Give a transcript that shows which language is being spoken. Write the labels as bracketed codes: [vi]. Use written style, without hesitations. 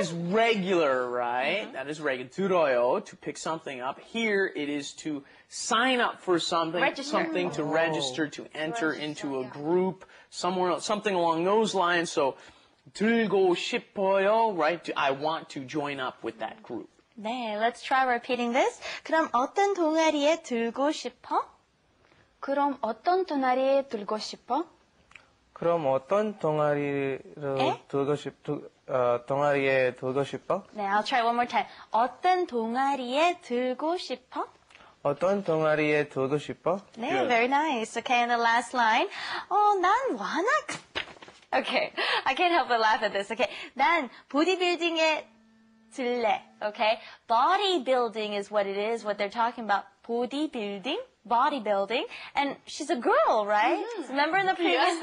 [en] is regular, right? Mm-hmm. That is regular. 들어요, to pick something up. Here it is to sign up for something, register. Something to register, to enter register, into a group, somewhere else, something along those lines. So [ko] 들고 싶어요, [en] right? I want to join up with that group. 네, let's try repeating this. [ko] 그럼 어떤 동아리에 들고 싶어? 그럼 어떤 동아리에 들고 싶어? 그럼 어떤 동아리를 들고 싶, 동아리에 들고 싶어? [en] 네, I'll try one more time. [ko] 어떤 동아리에 들고 싶어? 어떤 동아리에 들고 싶어? [en] 네, Good. Very nice. Okay, and the last line. [ko] 난 워낙... [en] Okay, I can't help but laugh at this. [ko] Okay, 난 보디빌딩에... [en] Okay, bodybuilding is what it is, what they're talking about. Bodybuilding, bodybuilding. And she's a girl, right? Mm-hmm. Remember in the previous yeah.